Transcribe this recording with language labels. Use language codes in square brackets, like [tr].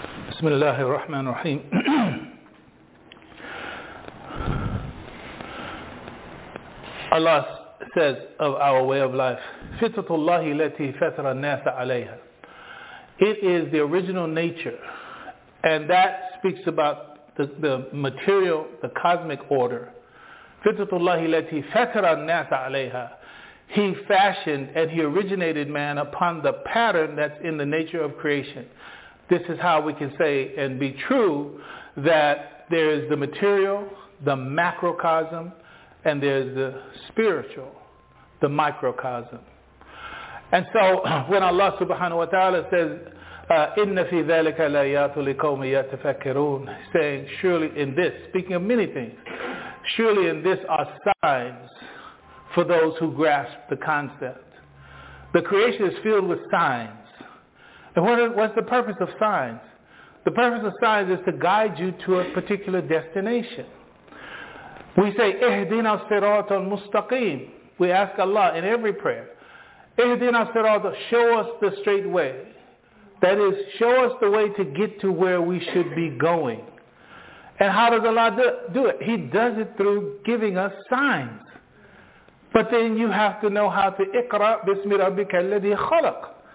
[ar] بسم الله الرحمن الرحيم [en] Allah says of our way of life, [ar] فِطْرَةُ اللَّهِ الَّتِي فَطَرَ النَّاسَ عَلَيْهَا. [en] It is the original nature, and that speaks about the material, the cosmic order. [ar] فِطْرَةُ اللَّهِ الَّتِي فَطَرَ النَّاسَ عَلَيْهَا. [en] He fashioned and he originated man upon the pattern that's in the nature of creation. This is how we can say and be true that there is the material, the macrocosm, and there's the spiritual, the microcosm. And so when Allah subhanahu wa ta'ala says, [ar] إِنَّ فِي ذَلِكَ لَيَاتُ لِكَوْمِ يَتَفَكِّرُونَ, [en] saying, surely in this, speaking of many things, surely in this are signs for those who grasp the concept. The creation is filled with signs. And what's the purpose of signs? The purpose of signs is to guide you to a particular destination. We say, [ar] اِهْدِنَا الصِّرَاطَ الْمُسْتَقِيمِ. [en] We ask Allah in every prayer, [ar] اِهْدِنَا الصِّرَاطَ, [en] show us the straight way. That is, show us the way to get to where we should be going. And how does Allah do it? He does it through giving us signs. But then you have to know how to [ar] اِقْرَى بِسْمِ رَبِّكَ الَّذِي خَلَقَ.